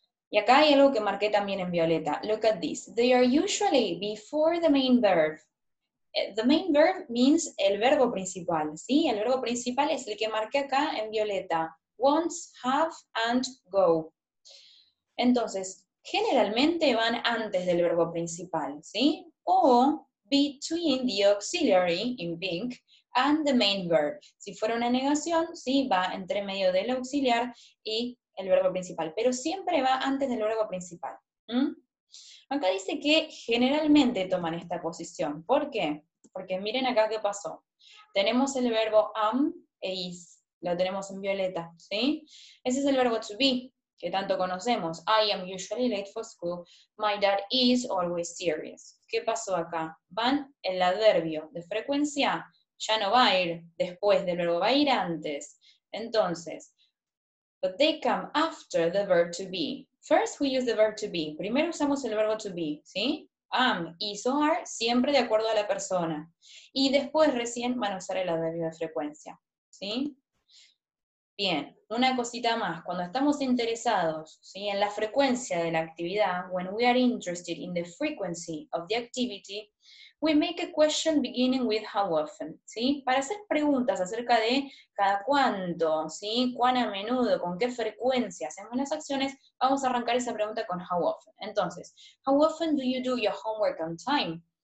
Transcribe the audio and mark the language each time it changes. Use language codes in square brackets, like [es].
[es] Y acá hay algo que marqué también en violeta. [en] Look at this. They are usually before the main verb. The main verb means [es] el verbo principal, ¿sí? El verbo principal es el que marqué acá en violeta. [en] Wants, have, and go. [es] Entonces, generalmente van antes del verbo principal, ¿sí? [en] O between the auxiliary in pink and the main verb. [es] Si fuera una negación, sí, va entre medio del auxiliar y el verbo principal. Pero siempre va antes del verbo principal. Acá dice que generalmente toman esta posición. ¿Por qué? Porque miren acá qué pasó. Tenemos el verbo am e is. Lo tenemos en violeta, ¿sí? Ese es el verbo to be, que tanto conocemos. [en] I am usually late for school. My dad is always serious. [es] ¿Qué pasó acá? Van el adverbio de frecuencia. Ya no va a ir después del verbo, va a ir antes. [en] Entonces, but they come after the verb to be. First we use the verb to be. [es] Primero usamos el verbo to be, ¿sí? [en] Am, is, or are, [es] siempre de acuerdo a la persona. Y después recién van a usar el adverbio de frecuencia, ¿sí? Bien, una cosita más. Cuando estamos interesados, ¿sí?, en la frecuencia de la actividad, [en] when we are interested in the frequency of the activity, We make a question beginning with how often, ¿sí? [es] Para hacer preguntas acerca de cada cuánto, ¿sí? Cuán a menudo, con qué frecuencia hacemos las acciones, vamos a arrancar esa pregunta con how often. [en] Entonces, how often do you do your homework on time?